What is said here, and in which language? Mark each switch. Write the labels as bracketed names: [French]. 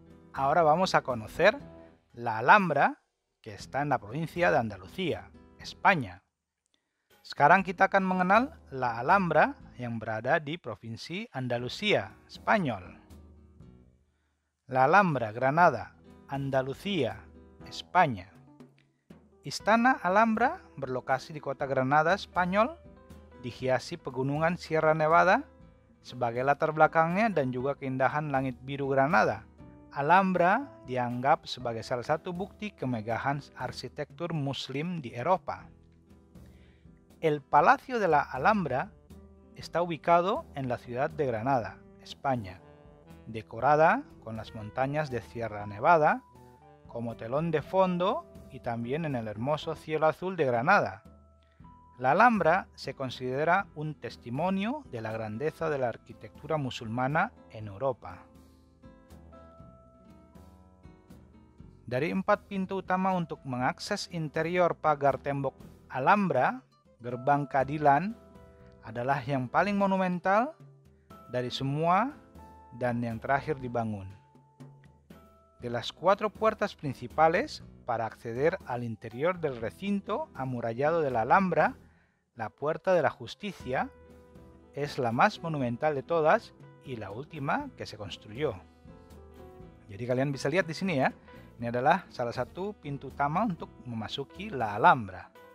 [Spanish] Ahora vamos a conocer la Alhambra, que está en la provincia de Andalucía, España. [Indonesian] Sekarang kita akan mengenal la Alhambra yang berada di provinsi Andalusia, Spanyol. [Spanish] La Alhambra, Granada, Andalucía, España. [Indonesian] Istana Alhambra berlokasi di kota Granada, Spanyol, dihiasi pegunungan Sierra Nevada sebagai latar belakangnya dan juga keindahan langit biru Granada. Alhambra dianggap sebagai salah satu bukti kemegahan arsitektur Muslim di Eropa. [Spanish] El Palacio de la Alhambra está ubicado en la ciudad de Granada, España, decorada con las montañas de Sierra Nevada como telón de fondo y también en el hermoso cielo azul de Granada. La Alhambra se considera un testimonio de la grandeza de la arquitectura musulmana en Europa. [Indonesian] Dari empat pintu utama untuk mengakses interior pagar tembok Alhambra, Gerbang Keadilan adalah yang paling monumental dari semua dan yang terakhir dibangun. [Spanish] De las cuatro puertas principales para acceder al interior del recinto amurallado de la Alhambra, la Puerta de la Justicia es la más monumental de todas y la última que se construyó. [Indonesian] Jadi kalian bisa lihat di sini ya, ini adalah salah satu pintu utama untuk memasuki la Alhambra.